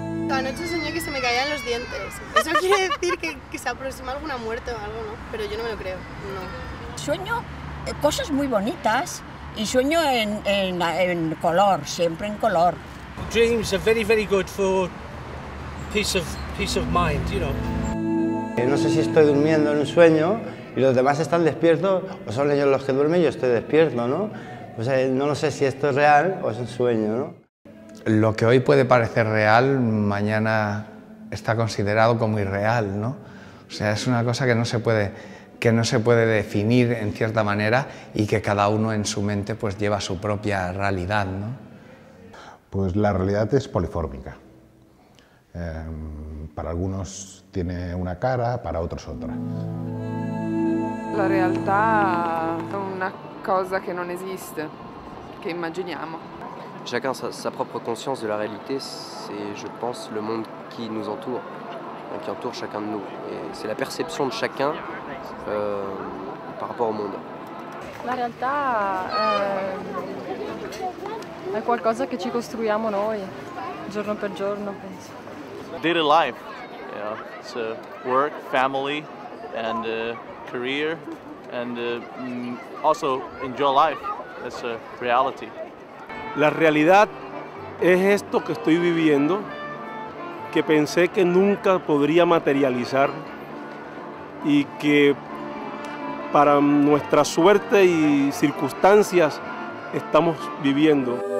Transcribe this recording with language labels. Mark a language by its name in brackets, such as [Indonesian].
[Spanish] Anoche soñé que se me caían los dientes. Eso quiere decir que se aproxima alguna muerte o algo, ¿no? Pero yo no me lo creo, no. ¿Sueño? Cosas muy bonitas y sueño en color, siempre en color. [English] Dreams are very, very good for peace of mind, you know. [Spanish] No sé si estoy durmiendo en un sueño y los demás están despiertos, o son ellos los que duermen y yo estoy despierto, ¿no? O sea, no lo sé si esto es real o es un sueño, ¿no? Lo que hoy puede parecer real, mañana está considerado como irreal, ¿no? O sea, es una cosa que no se puede definir en cierta manera y que cada uno en su mente pues lleva su propia realidad, ¿no? Pues la realidad es polifórmica. Para algunos tiene una cara, para otros otra. La realidad es una cosa que no existe, que imaginamos. [French] Chacun a sa propre conscience de la réalité, c'est, je pense, le monde qui nous entoure, qui entoure chacun de nous. Et c'est la perception de chacun par rapport au monde. [Italian] La realtà è qualcosa che ci costruiamo noi, giorno per giorno, penso. [English] Daily life, you know, it's work, family, and career, and also enjoy life, that's a reality. [Spanish] La realidad es esto que estoy viviendo, que pensé que nunca podría materializar y que para nuestra suerte y circunstancias estamos viviendo.